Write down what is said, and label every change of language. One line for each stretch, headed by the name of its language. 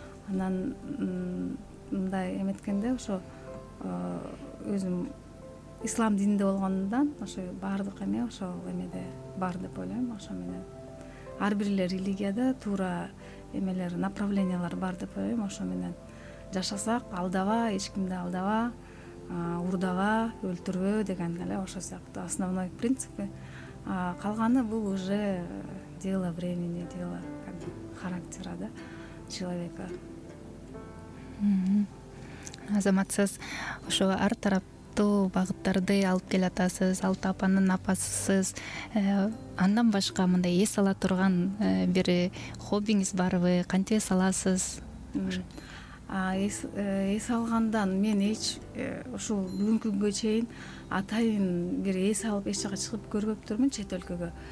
Kyrgyz: Анан мындай эметкенде ошо өзүм ислам дининде болгондан ошо баардык эме ошол эмеде бар деп ойлойм. Ошо менен ар бир эле религияда туура эмелер, направлениялар бар деп ойлойм. Ошо менен жашасак, алдаба, эч кимди алдаба, урдаба, өлтүрбө деген эле ошо сыяктуу основной принципи. Калганы бул
Russian: уже дело времени, дело характера да человека.
Kyrgyz: Азамат, сиз ошо ар тараптуу багыттарды алып келе атасыз, алты апанын апасысыз. Андан башка мындай эс ала турган бир хоббиңиз барбы? Кантип эс аласыз? Эс алгандан мен эч ушул бүгүнкү күнгө чейин атайын бир эс алып эч жака чыгып көрбөптүрмүн чет өлкөгө.